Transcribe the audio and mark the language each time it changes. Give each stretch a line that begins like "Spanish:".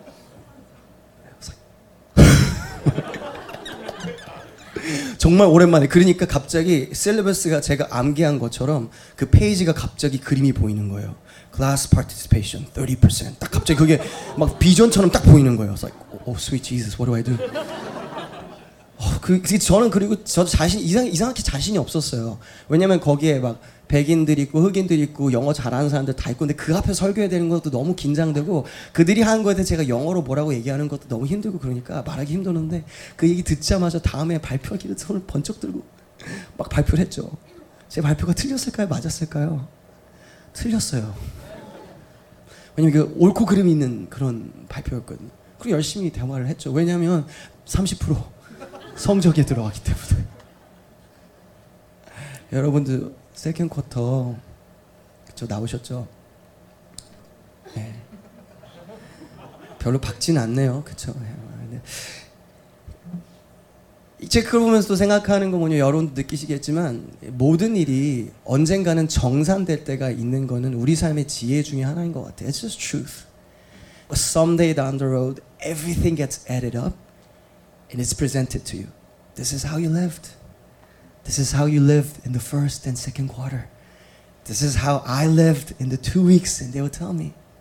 English: I was like,
Korean: 정말 오랜만에 그러니까 갑자기 실리버스가 제가 암기한 것처럼 그 페이지가 갑자기 그림이 보이는 거예요.
English: Class participation
Korean: 30% 딱 갑자기 그게 막 비전처럼 딱 보이는 거예요.
English: It's like, oh sweet Jesus, what do I do?
Korean: 저는 그리고 저도 자신 이상하게 자신이 없었어요. 왜냐면 거기에 막 백인들이 있고 흑인들이 있고 영어 잘하는 사람들 다 있고 근데 그 앞에 설교해야 되는 것도 너무 긴장되고 그들이 하는 것에 대해 제가 영어로 뭐라고 얘기하는 것도 너무 힘들고 그러니까 말하기 힘드는데 그 얘기 듣자마자 다음에 발표하기를 손을 번쩍 들고 막 발표를 했죠. 제 발표가 틀렸을까요? 맞았을까요? 틀렸어요. 왜냐면 그 옳고 그름 있는 그런 발표였거든요. 그리고 열심히 대화를 했죠. 왜냐면 30% 성적에 들어가기 때문에. 여러분들 세컨드 쿼터 저 나오셨죠? 네. 별로 박진 않네요. 그렇죠? 이제 그걸 보면서 생각하는 건 뭐냐면 여러분도 느끼시겠지만 모든 일이 언젠가는 정산될 때가 있는 거는 우리 삶의 지혜 중에 하나인 것 같아요.
English: It's just truth. But someday down the road, everything gets added up and it's presented to you. This is how you lived. This is how you lived in the first and second quarter. This is how I lived in the 2 weeks, and they would tell me.